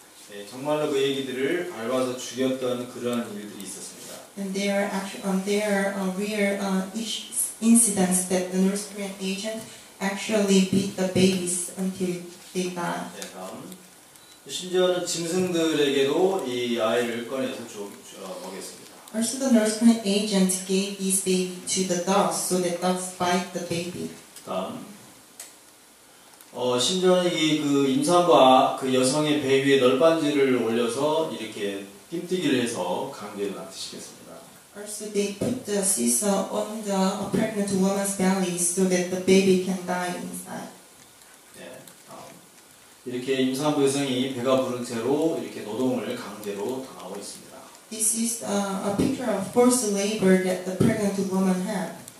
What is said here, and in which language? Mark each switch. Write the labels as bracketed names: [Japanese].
[Korean] 네, 정말로 그 얘기들을 밟아서 죽였던 그러한 일들이 있었습니다. [English] And there are real incidents that the North Korean agent actually beat the babies until they die. [Korean] 네, 다음. 심지어는 짐승들에게도 이 아이를 꺼내서 먹였습니다. [English] Also, the North Korean agent gave this baby to the dogs so that dogs bite the baby. [Korean] 다음. 심지어는 그 임산부와 그 여성의 배 위에 널빤지를 올려서 이렇게 띠뜨기를 해서 강제 낙태시켰습니다. [English] Also, they put the scissor on the pregnant woman's belly so that the baby can die inside. [Korean] 네, 이렇게 임산부 여성이 배가 부른 채로 이렇게 노동을 강제로 당하고 있습니다. [English] This is a picture of forced labor that the pregnant woman had.